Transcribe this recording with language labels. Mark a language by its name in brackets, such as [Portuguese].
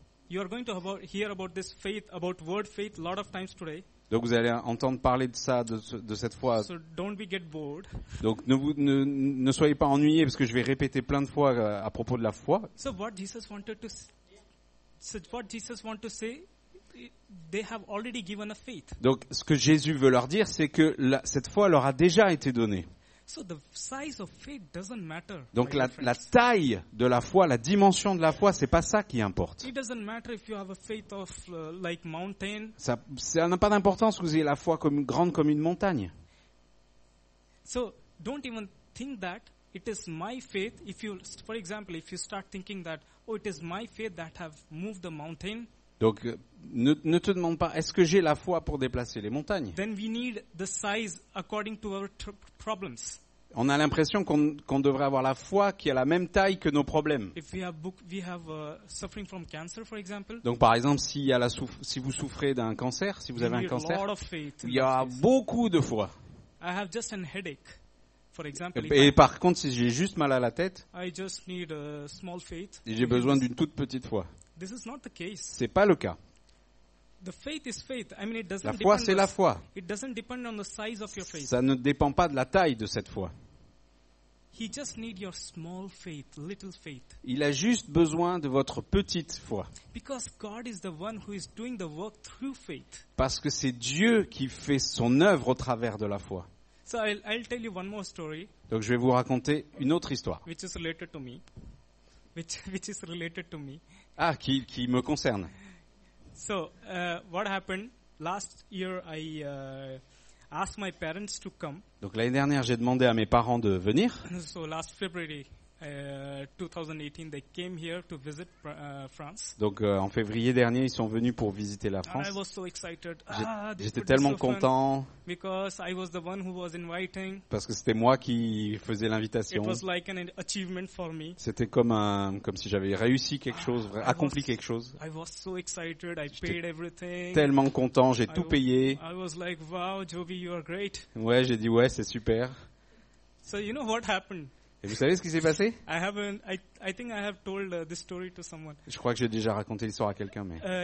[English] You are going to hear about this faith, about word faith, lot of times today. [French] Donc vous allez entendre parler de ça, de cette foi. [English] So don't we get bored? [French] Donc ne soyez pas ennuyés parce que je vais répéter plein de fois à propos de la foi. [English] So what Jesus wanted to say? They have already given a faith. [French] Donc, ce que Jésus veut leur dire, c'est que cette foi leur a déjà été donnée. [English] So the size of faith doesn't matter. [French] Donc, la taille de la foi, la dimension de la foi, c'est pas ça qui importe. [English] It doesn't matter if you have a faith of like mountain. [French] Ça n'a pas d'importance que vous ayez la foi grande comme une montagne. [English] So don't even think that it is my faith. If you, for example, if you start thinking that, oh, it is my faith that have moved the mountain. [French] Donc, ne te demande pas, est-ce que j'ai la foi pour déplacer les montagnes? [English] Then we need the size according to our problems. [French] On a l'impression qu'on devrait avoir la foi qui a la même taille que nos problèmes. [English] If we have suffering from cancer, for example. [French] Donc, par exemple, si vous souffrez d'un cancer, si vous avez un cancer, [English] lot of faith, [French] il y a beaucoup de foi. [English] I have just a headache, for example. [French] Et par contre, si j'ai juste mal à la tête, [English] I just need a small faith, [French] et j'ai besoin d'une toute petite foi. [English] This is not the case. [French] C'est pas le cas. [English] The faith is faith. I mean, it doesn't. [French] La foi, c'est la foi. [English] It doesn't depend on the size of your faith. [French] Ça ne dépend pas de la taille de cette foi. [English] He just need your small faith, little faith. [French] Il a juste besoin de votre petite foi. [English] Because God is the one who is doing the work through faith. [French] Parce que c'est Dieu qui fait son œuvre au travers de la foi. [English] So I'll tell you one more story. [French] Donc je vais vous raconter une autre histoire. [English] Which is related to me. Which is related to me. [French] Ah, qui me concerne. [English] So, what happened last year? I asked my parents to come. [French] Donc l'année dernière, j'ai demandé à mes parents de venir. [English] So last February, 2018, they came here to visit France. [French] Donc en février dernier, ils sont venus pour visiter la France. [English] I was so excited. [French] J'étais tellement content. [English] Because I was the one who was inviting. [French] Parce que c'était moi qui faisais l'invitation. [English] It was like an achievement for me. [French] C'était comme comme si j'avais réussi quelque chose, accompli quelque chose. [English] I was so excited. I paid everything. [French] Tellement content, j'ai tout payé. [English] I was like, wow, Joby, you are great. [French] Ouais, j'ai dit ouais, c'est super. [English] So you know what happened? [French] Et vous savez ce qui s'est passé? Je crois que j'ai déjà raconté l'histoire à quelqu'un, mais.